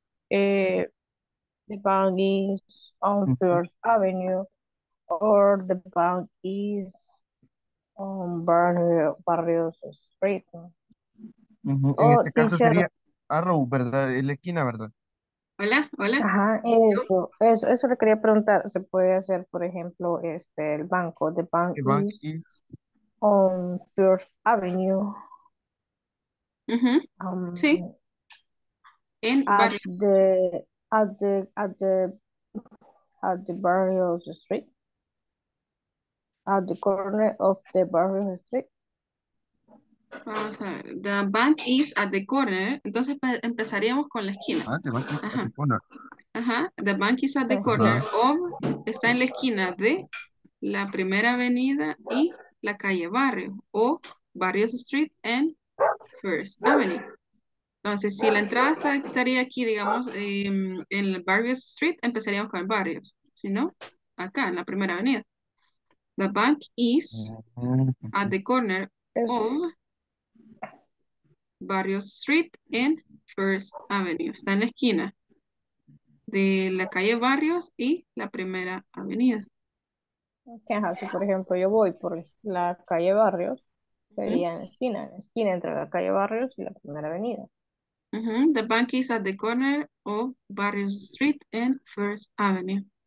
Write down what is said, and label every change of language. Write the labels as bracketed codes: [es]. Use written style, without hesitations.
[en] The bank is on First Avenue, or the bank is on Barrio Street. [es] Mm-hmm. En este caso sería Arrow, ¿verdad? La esquina, ¿verdad? Hola, hola. Ajá, eso le quería preguntar. ¿Se puede hacer, por ejemplo, el banco? [en] The bank, the bank is on First Avenue. [es] Uh-huh. Sí. [en] At the Barrios Street. At the corner of the Barrios Street. [es] Vamos a ver, [en] the bank is at the corner. [es] Entonces empezaríamos con la esquina. [en] The bank is at the corner. Ajá, the bank is at the corner. [es] O está en la esquina de la primera avenida y la calle Barrio. [en] O Barrios Street and First Avenue. [es] Entonces, si la entrada estaría aquí, digamos, en el Barrios Street, empezaríamos con el Barrios. Si no, acá, en la primera avenida. [en] The bank is at the corner of Barrios Street and First Avenue. [es] Está en la esquina de la calle Barrios y la primera avenida. Ajá, si por ejemplo yo voy por la calle Barrios, sería en la esquina entre la calle Barrios y la primera avenida. Uh-huh. [en] The bank is at the corner of Barrios Street and First Avenue.